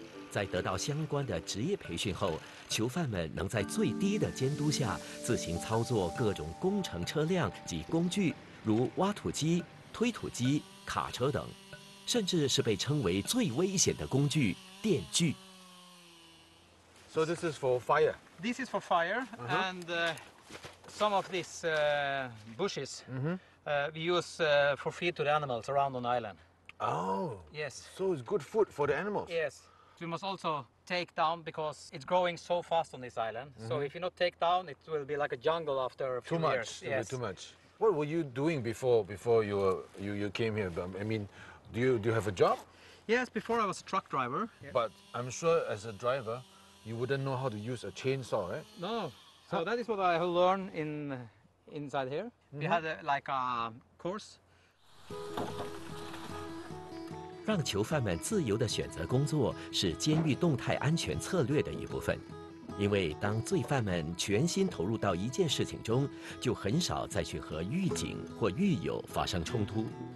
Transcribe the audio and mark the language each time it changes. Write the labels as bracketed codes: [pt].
[zh] 在得到相关的职业培训后，囚犯们能在最低的监督下自行操作各种工程车辆及工具，如挖土机、推土机、卡车等，甚至是被称为最危险的工具——电锯。 [en] So this is for fire. This is for fire, and some of these bushes we use for feed to the animals around on the island. Oh. Yes. So it's good food for the animals. Yes. We must also take down because it's growing so fast on this island. So if you not take down, it will be like a jungle after a few too much. Years. Yes. Too much. What were you doing before you came here? I mean. Do you have a job? Yes, before I was a truck driver. Yes. But I'm sure as a driver, you wouldn't know how to use a chainsaw, right? No. So that is what I have learned inside here. Mm-hmm. We had a course. [zh] 让囚犯们自由地选择工作是监狱动态安全策略的一部分，因为当罪犯们全心投入到一件事情中，就很少再去和狱警或狱友发生冲突。